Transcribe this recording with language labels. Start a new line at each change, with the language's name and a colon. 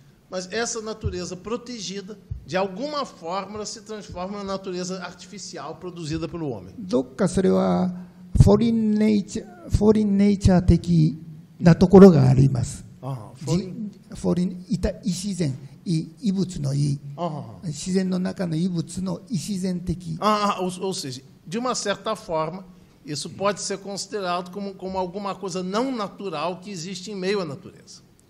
Portuguese: Mas essa natureza protegida, de alguma forma, se transforma na natureza artificial produzida pelo homem.
Japanese: どっかそれはフォリンネイチャー的なところがあります。
Portuguese: ou seja, de uma certa forma, isso pode ser considerado como alguma coisa não natural que existe em meio à natureza.